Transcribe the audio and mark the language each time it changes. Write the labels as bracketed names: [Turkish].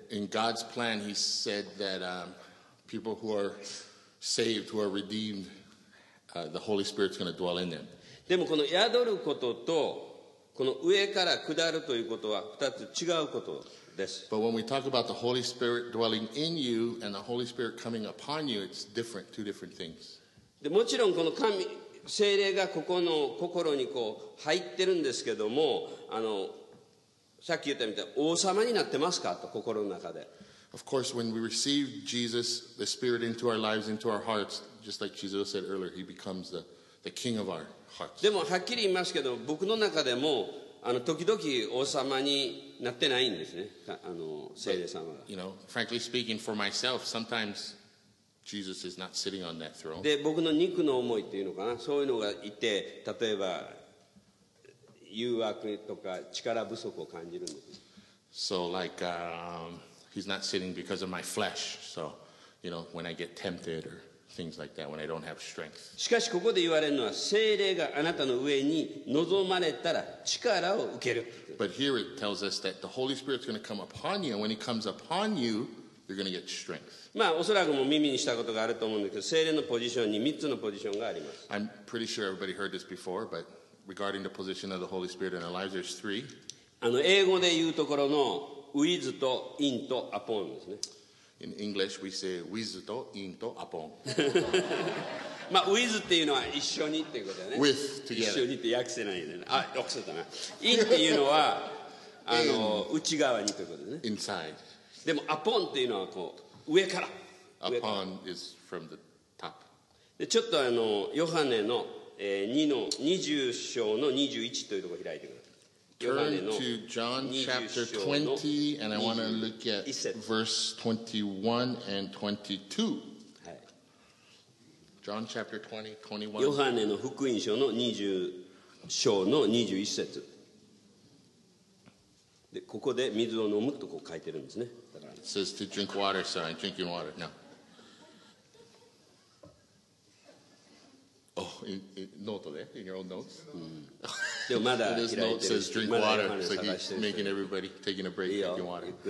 [English] In God's plan, he said that people who are saved, who are redeemed, the Holy Spirit's going to dwell in them. [Japanese] でもこの宿ることと、この上から下るということは二つ違うことです。 [English] But when we talk about the Holy Spirit dwelling in you and the Holy Spirit coming upon you, it's different, two different things. [Japanese] でもちろんこの神聖霊がここの心にこう入ってるんですけども、さっき言ったみたいに王様になってますかと心の中で。 [English] Of course when we receive Jesus the Spirit into our lives into our hearts just like Jesus said earlier he becomes the king of our hearts. [Japanese] でもはっきり言いますけど僕の中でも時々王様になってないんですね、聖霊様が。 [English] But, you know, frankly speaking for myself sometimesJesus is not sitting on that throne. [Japanese] で、僕の肉の思いっていうのかな、そういうのがいて、例えば誘惑とか力不足を感じるんです。 [English] So like, he's not sitting because of my flesh. So, you know, when I get tempted or things like that, when I don't have strength. [Japanese] しかしここで言われるのは、聖霊があなたの上に臨まれたら力を受ける。 [English] But here it tells us that the Holy Spirit's going to come upon you, and when he comes upon you,You're going to get strength. [Japanese] まあおそらくも耳にしたことがあると思うんですけど、聖霊のポジションに3つのポジションがあります。 [English] I'm pretty sure everybody heard this before, but regarding the position of the Holy Spirit in our lives, there's three. [Japanese] 英語で言うところの with と in と upon ですね。 [English] In English, we say with と in と upon. [Japanese] まあ with っていうのは一緒にっていうことだね。 [English] With together. [Japanese] 一緒にって訳せないよね。あ、訳せたな。in っていうのは内側にということですね。 [English] Inside. [Japanese] でも、upon っていうのはこう上から。 [English] upon is from the top. [Japanese] で、ちょっとヨハネの20章の21というところを開いてください。 [English] Turn to John chapter 20, and I want to look at verse 21 and 22. はい。John chapter 20, 21. [Japanese] ヨハネの福音書の20章の21節。で、ここで水を飲むとこう書いてるんですね。 [English] It says to drink water, sorry, drinking water. No. Oh, in note, there, in your own notes? Mm. This note says drink water, so he's making everybody taking a break, drinking water.